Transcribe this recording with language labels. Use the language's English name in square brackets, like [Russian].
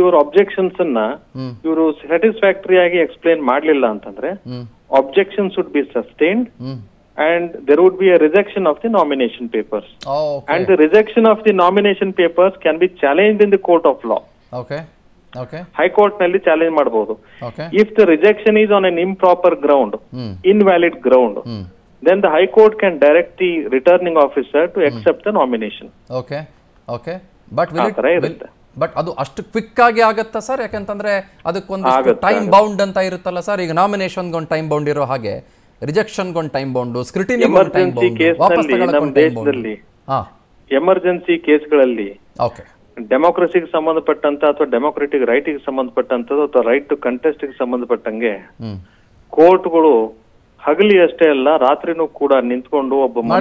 [Kannada] ಇವರು ಅಬ್ಜೆಕ್ಷನ್ಸ್ ಅನ್ನ ಇವರು ಸ್ಯಾಟಿಸ್ಫ್ಯಾಕ್ಟರಿ ಆಗಿ ಎಕ್ಸ್ಪ್ಲೈನ್ ಮಾಡ್ಲಿಲ್ಲ ಅಂತಂದ್ರೆ [English] Objections would be sustained and there would be a rejection of the nomination papers. Oh, okay. And the rejection of the nomination papers can be challenged in the court of law. Okay, [Kannada] okay. High court nalli challenge madabodu. [English] Okay. If the rejection is on an improper ground, invalid ground, then the high court can direct the returning officer to accept the nomination. [Kannada] Okay, but but ಅದು ಅಷ್ಟು quick ಆಗಿ ಆಗುತ್ತ sir? ಯಾಕಂತಂದ್ರೆ ಅದಕ್ಕೊಂದು time bound ಅಂತ ಇರುತ್ತಲ್ಲ sir, ಈಗ nomination ಒಂದು ಟೈಮ್ ಬೌಂಡ್ ಇರೋ ಹಾಗೆ rejection ಗೊಂದ್ time bound, ಸ್ಕ್ರಿಟಿನಿ ಗೊಂದ್ time bound. Emergency ಕೇಸ್ಗಳಲ್ಲಿ ಡೆಮೋಕ್ರಸಿಗೆ ಸಂಬಂಧಪಟ್ಟಂತ ಅಥವಾ ಡೆಮೋಕ್ರೆಟಿಕ್ ರೈಟ್ ಗೆ ಸಂಬಂಧಪಟ್ಟಂತದ್ದು ಅಥವಾ ರೈಟ್ ಟು ಕಂಟೆಸ್ಟ್ ಗೆ ಸಂಬಂಧಪಟ್ಟಂಗೆ ಕೋರ್ಟ್ಗಳು ಹಗಲಿ ಅಷ್ಟೇ ಅಲ್ಲ ರಾತ್ರಿನೂ ಕೂಡ ನಿಂತ್ಕೊಂಡು ಒಬ್ಬ